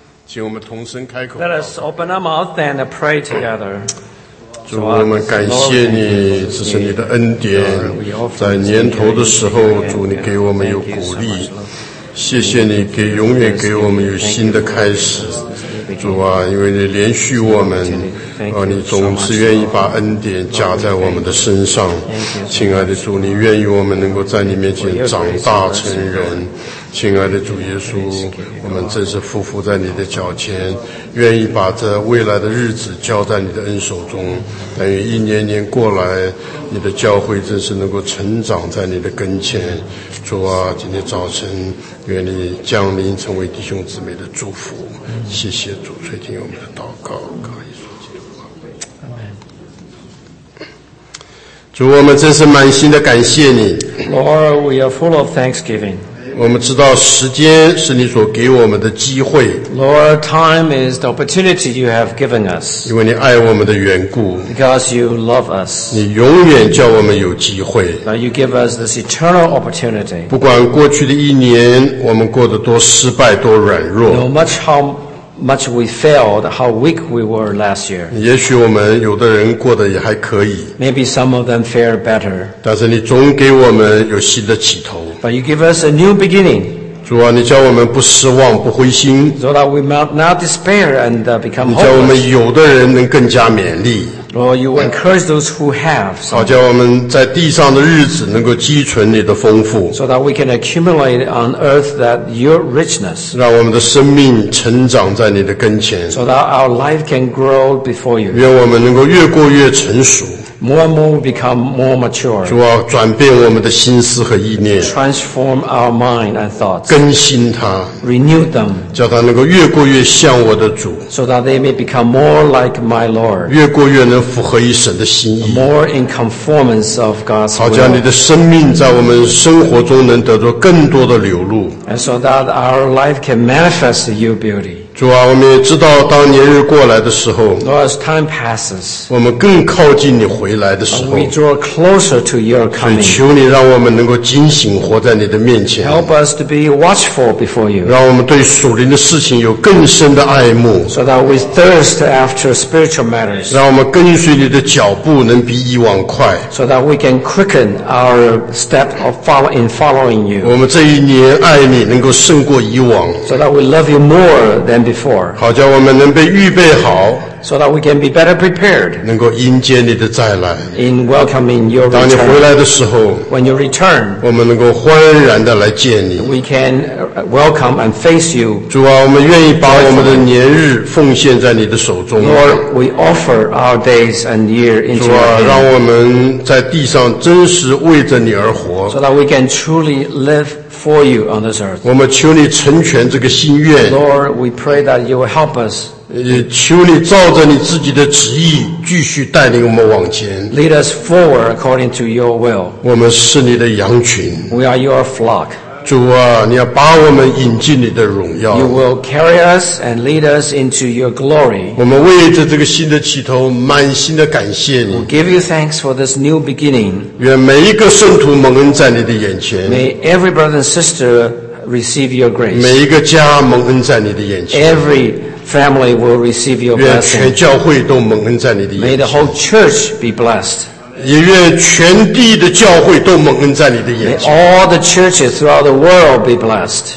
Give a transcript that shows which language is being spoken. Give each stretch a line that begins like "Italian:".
English: Let us open our mouth and pray together.
Chinese: 主，我们感谢你，这是你的恩典。在年头的时候，主，你给我们有鼓励。谢谢你给永远给我们有新的开始。主啊，因为你连续我们，你总是愿意把恩典加在我们的身上。亲爱的主，你愿意我们能够在你面前长大成人。亲爱的主耶稣，我们真是匍匐在你的脚前，愿意把这未来的日子交在你的恩手中。但愿一年年过来，你的教会真是能够成长在你的跟前。主啊，今天早晨愿你降临，成为弟兄姊妹的祝福。谢谢主，垂听我们的祷告，靠耶稣基督的名。主，我们真是满心的感谢你。
English: Lord, we are full of thanksgiving.
Chinese: 我们知道时间是你所给我们的机会。
English: Lord, time is the opportunity you have given us.
Chinese: 因为你爱我们的缘故。
English: Because you love us.
Chinese: 你永远叫我们有机会。
English: But you give us this eternal opportunity.
Chinese: 不管过去的一年我们过得多失败多软弱。
English: No much how much we failed, how weak we were last year.
Chinese: 也许我们有的人过得也还可以。
English: Maybe some of them fare better.
Chinese: 但是你总给我们有新的起头。
English: But you give us a new beginning.
Chinese: 主啊，你叫我们不失望，不灰心。
English: So that we might not despair and become hopeless.
Chinese: 你叫我们有的人能更加勉励。
English: Lord, you encourage those who have.
Chinese: 好，叫我们在地上的日子能够积存你的丰富。
English: So that we can accumulate on earth that your richness.
Chinese: 让我们的生命成长在你的跟前。
English: So that our life can grow before you.
Chinese: 愿我们能够越过越成熟。
English: More and more become more mature.
Chinese: 主啊，转变我们的心思和意念。
English: Transform our mind and thoughts.
Chinese: 更新它。
English: Renew them.
Chinese: 叫它能够越过越像我的主。
English: So that they may become more like my Lord.
Chinese: 越过越能符合于神的心意。
English: More in conformance of God's will.
Chinese: 好叫你的生命在我们生活中能得到更多的流露。
English: And so that our life can manifest your beauty.
Chinese: 主啊，我们也知道，当年日过来的时候，
English: Lord, as time passes,
Chinese: 我们更靠近你回来的时候。
English: We draw closer to your coming.
Chinese: 所以求你让我们能够警醒，活在你的面前。
English: Help us to be watchful before you.
Chinese: 让我们对属灵的事情有更深的爱慕。
English: So that we thirst after spiritual matters.
Chinese: 让我们跟随你的脚步能比以往快。
English: So that we can quicken our step of following you.
Chinese: 我们这一年爱你能够胜过以往。
English: So that we love you more than.
Chinese: 好叫我们能被预备好
English: so that we can be better prepared,
Chinese: 能够迎接你的再来
English: in welcoming your return,
Chinese: 当你回来的时候
English: when you return,
Chinese: 我们能够欢然地来见你
English: we can welcome and face you,
Chinese: 主啊我们愿意把我们的年日奉献在你的手中
English: Lord, we offer our days and year into your hand,
Chinese: 主啊让我们在地上真实为着你而活
English: so that we can truly liveFor you on this earth.
Chinese: 我们求你成全这个心愿。
English: Lord, we pray that you will help us.
Chinese: 求你照着你自己的旨意继续带领我们往前。
English: Lead us forward according to your will.
Chinese: 我们是你的羊群。
English: We are your flock.
Chinese: 主啊，你要把我们引进你的荣耀。
English: You will carry us and lead us into your glory.
Chinese: 我们为着这个新的起头，满心的感谢你。
English: We give you thanks for this new beginning.
Chinese: 愿每一个圣徒蒙恩在你的眼前。
English: May every brother and sister receive your grace.
Chinese: 每一个家蒙恩在你的眼前。
English: Every family will receive your blessing.
Chinese: 愿全教会都蒙恩在你的眼前。
English: May the whole church be blessed.
Chinese: 也愿全地的教会都蒙恩在你的眼前。
English: May all the churches throughout the world be blessed.